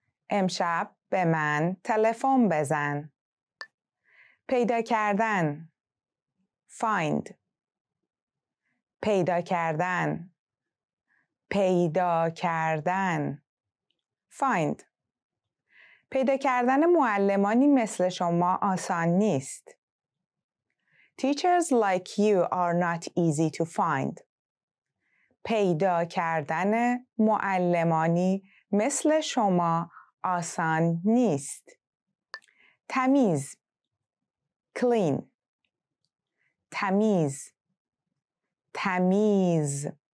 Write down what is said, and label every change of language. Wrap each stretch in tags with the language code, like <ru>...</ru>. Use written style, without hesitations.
<fa>امشب به من تلفن بزن. پیدا کردن.</fa> <en>Find.</en> <fa>پیدا کردن. پیدا کردن.</fa> <en>Find.</en> <fa>پیدا کردن معلمانی مثل شما آسان نیست.</fa> <en>Teachers like you are not easy to find.</en> <fa>پیدا کردن معلمانی مثل شما آسان نیست. تمیز.</fa> <en>Clean.</en> <fa>تمیز. تمیز.</fa>